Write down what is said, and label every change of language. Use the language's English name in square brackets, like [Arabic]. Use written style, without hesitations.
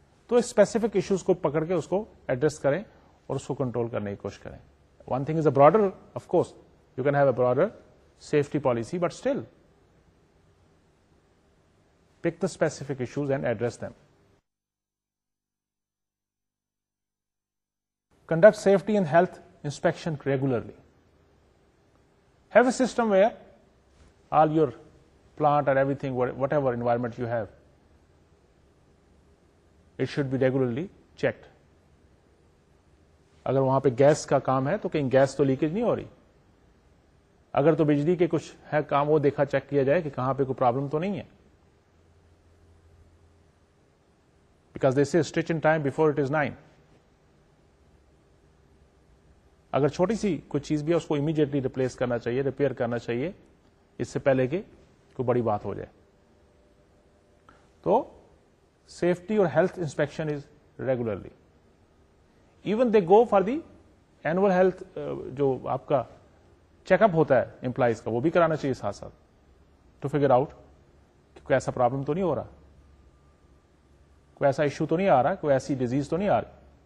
[Urdu] تو specific issues کو پکڑ کے اس کو ایڈریس کریں اور اس کو کنٹرول کرنے کی کوشش کریں. [English] One thing is a broader, of course you can have a broader safety policy, but still pick the specific issues and address them. Conduct safety and health inspection regularly, have a system where all your plant or everything, whatever environment you have, it should be regularly checked. [Urdu] اگر وہاں پہ gas کا کام ہے تو کہیں gas تو leakage نہیں ہو رہی, اگر تو بجلی کے کچھ ہے کام وہ دیکھا چیک کیا جائے کہ کہاں پہ کوئی پرابلم تو نہیں ہے. [English] Because they see stitch in time before it is nine. [Urdu] اگر چھوٹی سی کوئی چیز بھی ہے اس کو امیڈیٹلی ریپلیس کرنا چاہیے, ریپیئر کرنا چاہیے اس سے پہلے کہ کوئی بڑی بات ہو جائے. [English] تو سیفٹی اور health inspection is regularly. Even they go for the annual health [Urdu] جو آپ کا چیک اپ ہوتا ہے امپلائیز کا, وہ بھی کرانا چاہیے ساتھ ساتھ, [English] to figure out [Urdu] کہ کوئی ایسا پرابلم تو نہیں ہو رہا, کوئی ایسا ایشو تو نہیں آ رہا, کوئی ایسی ڈیزیز تو نہیں آ رہی.